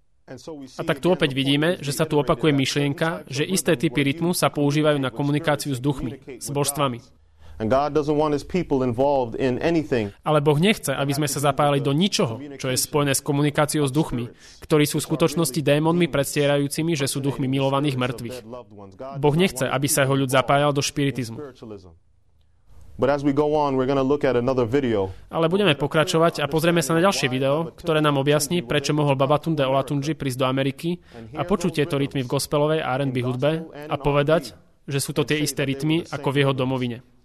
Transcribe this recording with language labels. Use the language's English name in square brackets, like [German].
[Slovak] A tak tu opäť vidíme, že sa tu opakuje myšlienka, že isté typy rytmu sa používajú na komunikáciu s duchmi, s božstvami. Ale Boh nechce, aby sme sa zapájali do ničoho, čo je spojené s komunikáciou s duchmi, ktorí sú v skutočnosti démonmi predstierajúcimi, že sú duchmi milovaných mŕtvych. Boh nechce, aby sa jeho ľud zapájal do špiritizmu. [English] But as we go on, we're going to look at another video. [Slovak] Ale budeme pokračovať a pozrieme sa na ďalšie video, ktoré nám objasní, prečo mohol Babatunde Olatunji prísť do Ameriky a počuť tieto rytmy v gospelovej a R&B hudbe a povedať, že sú to tie isté rytmy ako v jeho domovine.